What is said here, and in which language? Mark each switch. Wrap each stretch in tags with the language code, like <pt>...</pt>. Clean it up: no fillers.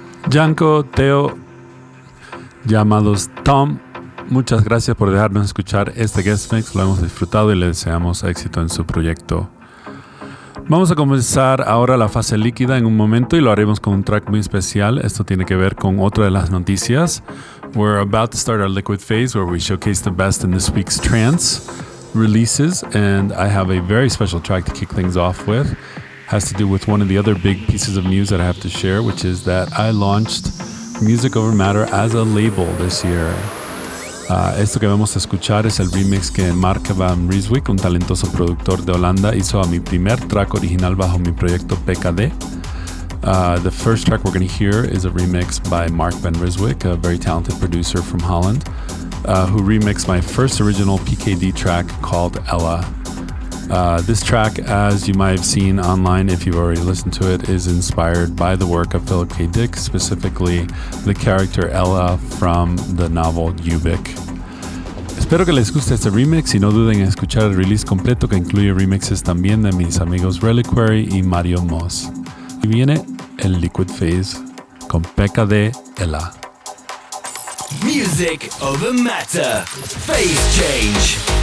<es>Janko, Teo, llamados Tom, muchas gracias por dejarnos escuchar este guest mix. Lo hemos disfrutado y le deseamos éxito en su proyecto. Vamos a comenzar ahora la fase líquida en un momento y lo haremos con un track muy especial. Esto tiene que ver con otra de las noticias.</es> <en>We're about to start our liquid phase where we showcase the best in this week's trance releases, and I have a very special track to kick things off with. It has to do with one of the other big pieces of news that I have to share, which is that I launched Music Over Matter as a label this year.</en> <es>Esto que vamos a escuchar es el remix que Mark Van Rieswijk, un talentoso productor de Holanda, hizo a mi primer track original bajo mi proyecto PKD.</es> <en>The first track we're going to hear is a remix by Mark Van Rieswijk, a very talented producer from Holland, who remixed my first original PKD track called Ella. This track, as you might have seen online if you've already listened to it, is inspired by the work of Philip K. Dick, specifically the character Ella from the novel Ubik.</en> <es>Espero que les guste este remix y no duden en escuchar el release completo que incluye remixes también de mis amigos Reliquary y Mario Moss. Y viene el Liquid Phase con P.K.D. Ella.</es> <en>Music over matter. Phase change.</en>